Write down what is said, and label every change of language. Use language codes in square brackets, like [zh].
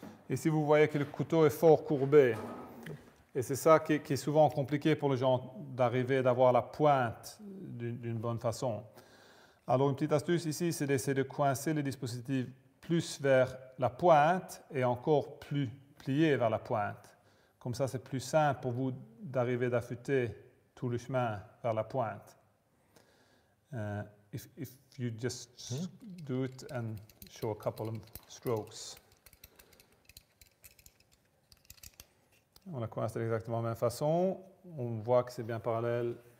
[fr] Et si vous voyez que le couteau est fort courbé, et c'est ça qui est souvent compliqué pour les gens d'arriver, d'avoir la pointe d'une bonne façon. Alors, une petite astuce ici, c'est d'essayer de coincer le dispositif plus vers la pointe et encore plus plié vers la pointe. Comme ça, c'est plus simple pour vous d'arriver d'affûter tout le chemin vers la pointe. [en] If you just do it and show a couple of strokes. [fr] On a coincé exactement de la même façon. On voit que c'est bien parallèle.